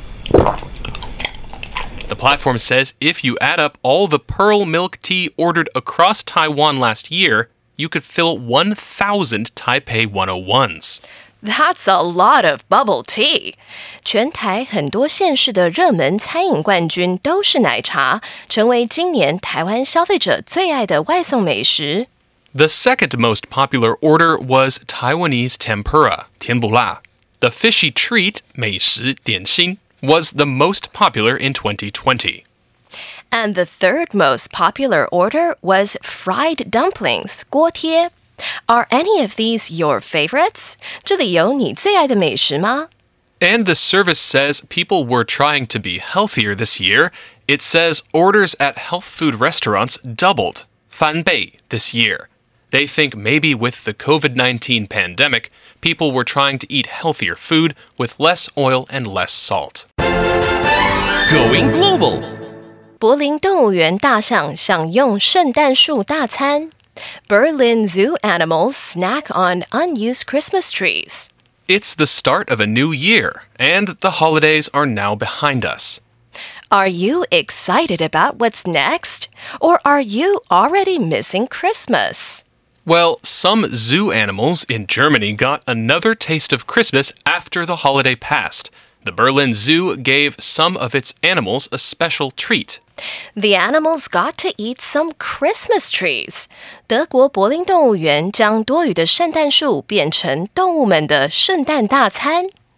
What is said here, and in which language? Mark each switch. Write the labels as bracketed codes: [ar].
[en] The platform says if you add up all the pearl milk tea ordered across Taiwan last year, you could fill 1,000 Taipei 101s. That's a lot of bubble tea. [zh] 全台很多县市的热门餐饮冠军都是奶茶，成为今年台湾消费者最爱的外送美食。 [en] The second most popular order was Taiwanese tempura, 甜不辣。 The fishy treat, [zh] 美食点心。 [en] Was the most popular in 2020. And the third most popular order was fried dumplings, 锅贴. Are any of these your favorites? [zh] 这里有你最爱的美食吗? [en] And the service says people were trying to be healthier this year. It says orders at health food restaurants doubled, 翻倍, this year. They think maybe with the COVID-19 pandemic, people were trying to eat healthier food with less oil and less salt. Going global! [zh] 柏林动物园大象享用圣诞树大餐。 [en] Berlin zoo animals snack on unused Christmas trees. It's the start of a new year, and the holidays are now behind us. Are you excited about what's next? Or are you already missing Christmas? Well, some zoo animals in Germany got another taste of Christmas after the holiday passed. The Berlin Zoo gave some of its animals a special treat. The animals got to eat some Christmas trees. [zh] 德国柏林动物园将多余的圣诞树变成动物们的圣诞大餐。